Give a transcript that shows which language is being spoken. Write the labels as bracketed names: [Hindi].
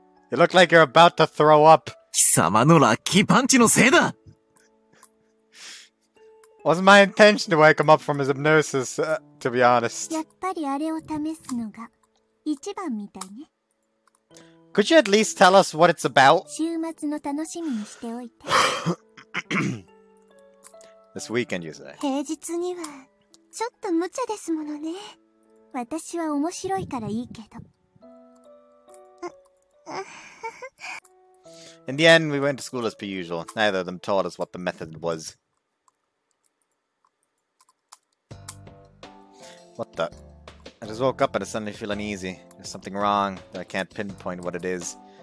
[English] You look like you're about to throw up! [Japanese] 貴様のラッキーパンチのせいだ! [English] Wasn't my intention to wake him up from his hypnosis, to be honest. [Japanese] やっぱりあれを試すのが一番みたいね。 [English] Could you at least tell us what it's about? [Japanese] 週末の楽しみにしておいて。 [English] This weekend, you say. [Japanese] 平日には、ちょっと無茶ですものね。私は面白いからいいけど。 [English] In the end, we went to school as per usual. Neither of them taught us what the method was. What the? I just woke up and I suddenly feel uneasy. There's something wrong, but I can't pinpoint what it is.